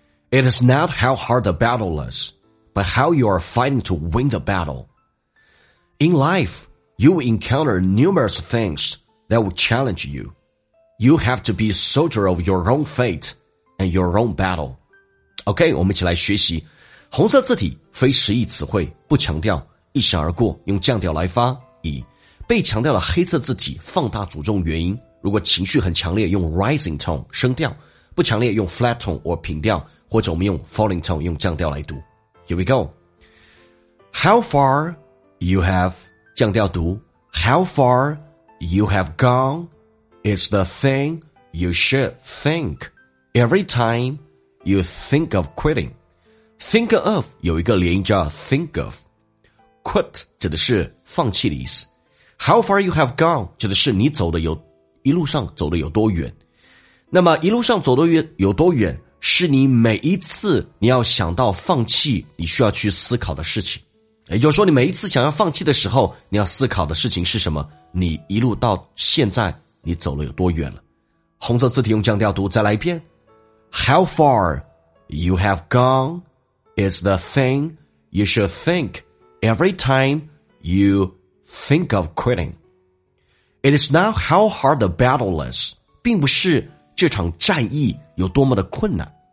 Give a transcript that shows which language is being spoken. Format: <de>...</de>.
<en>It is not how hard the battle is, but how you are fighting to win the battle. In lifeYou will encounter numerous things that will challenge you. You have to be a soldier of your own fate and your own battle.</en> <zh>OK, 我们一起来学习。红色字体非实意词汇，不强调，一闪而过，用降调来发。以被强调的黑色字体放大主重元音，如果情绪很强烈，用 rising tone 升调，不强烈用 flat tone or 平调，或者我们用 falling tone 用降调来读。</zh> <en>Here we go. How far you have...</en> <zh>降调读</zh> <en>How far you have gone is the thing you should think every time you think of quitting.</en> <zh>Think of 有一个连音叫 think of. Quit 指的是放弃的意思。</zh> <en>How far you have gone</en> <zh>指的是你走的有一路上走的有多远。那么一路上走的有多远是你每一次你要想到放弃你需要去思考的事情。也就是说你每一次想要放弃的时候你要思考的事情是什么，你一路到现在你走了有多远了。红色字体用降调读，再来一遍。</zh> <en>How far you have gone is the thing you should think every time you think of quitting. It is not how hard the battle is,</en> <zh>并不是这场战役有多么的困难。</zh>